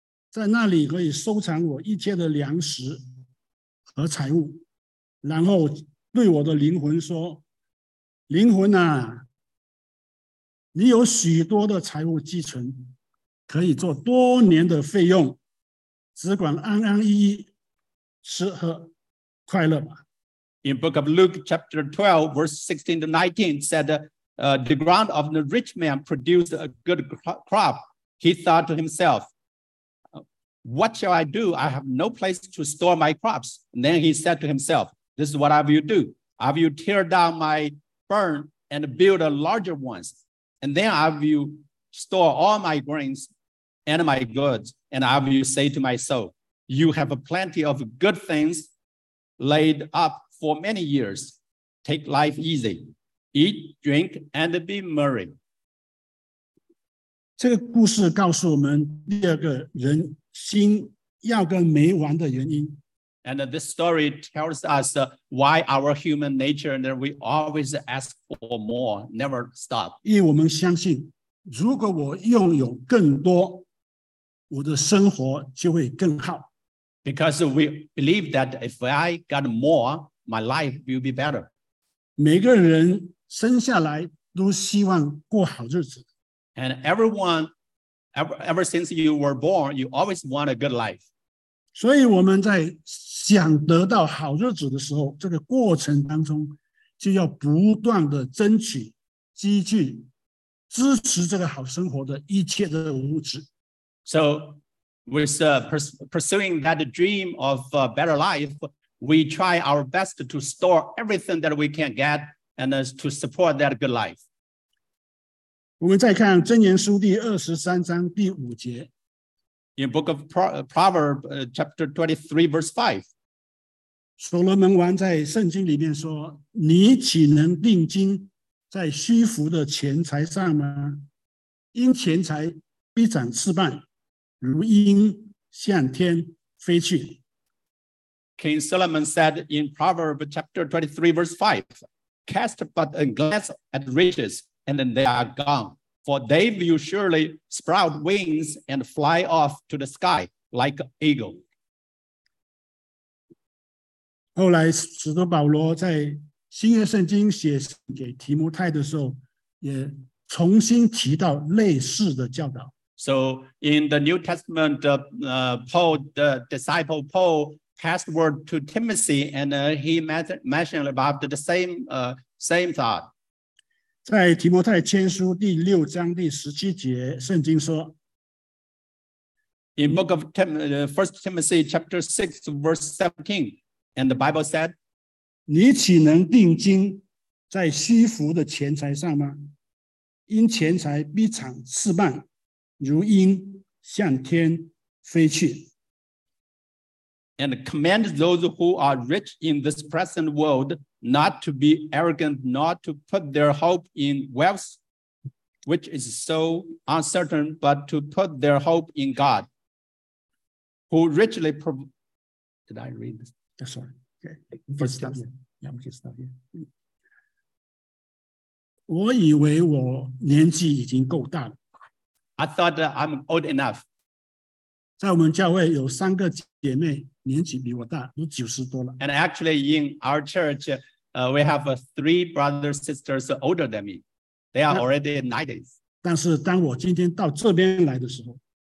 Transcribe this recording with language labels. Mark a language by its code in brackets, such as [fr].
[zh] 在那里可以收藏我一切的粮食和财物，然后对我的灵魂说，灵魂啊，你有许多的财物积存，可以做多年的费用，只管安安逸逸吃喝快乐吧。 [en] In Book of Luke chapter 12 verse 16 to 19 said the ground of the rich man produced a good crop. He thought to himselfWhat shall I do? I have no place to store my crops. And then he said to himself, this is what I will do. I will tear down my barn and build a larger one. And then I will store all my grains and my goods. And I will say to my soul, you have plenty of good things laid up for many years. Take life easy. Eat, drink, and be merry. [zh] 这个故事告诉我们第二个人心要个没完的原因。 [en] And this story tells us why our human nature, and we always ask for more, never stop. [zh] 因为我们相信，如果我拥有更多，我的生活就会更好。 [en] Because we believe that if I got more, my life will be better. [zh] 每个人生下来都希望过好日子。 [en] And everyone, ever since you were born, you always want a good life. [zh] 所以我们在想得到好日子的时候，这个过程当中就要不断的争取积聚支持这个好生活的一切的物质。 [en] So with pursuing that dream of a better life, we try our best to store everything that we can get and to support that good life. [zh] 我们再看箴言书第23章第五节。 [en] In book of Proverbs, chapter 23, verse 5. [zh] 所罗门王在圣经里面说，你岂能定睛在虚浮的钱财上吗？因钱财必长翅膀，如鹰向天飞去。 [en] King Solomon said in Proverbs, chapter 23, verse 5, cast but a glance at riches, and then they are gone. For they will surely sprout wings and fly off to the sky like eagle. [zh] 后来使徒保罗在新约圣经写给提摩太的时候也重新提到类似的教导。 [en] So in the New Testament, Paul, the disciple Paul, passed word to Timothy and he mentioned about the same thought. [zh] 在提摩太前书第六章第十七节，圣经说 [en] ：“In book of First Timothy chapter 6 verse 17, and the Bible said, [zh] 你岂能定睛在虚浮的钱财上吗？因钱财必长翅膀，如鹰向天飞去。 [en] And command those who are rich in this present world.” Not to be arrogant, not to put their hope in wealth, which is so uncertain, but to put their hope in God, who richly provides. Did I read this? Yeah, sorry. Okay. First, stop here. Yeah, we can stop here. [zh] 我以为我年纪已经够大了。 [en] I thought that I'm old enough. [zh] 在我们教会有三个姐妹。年纪比我大，都九十多了。 [en] And actually, in our church, we have three brothers and sisters older than me. They are already 90s. [zh] 但是当我今天到这边来的时候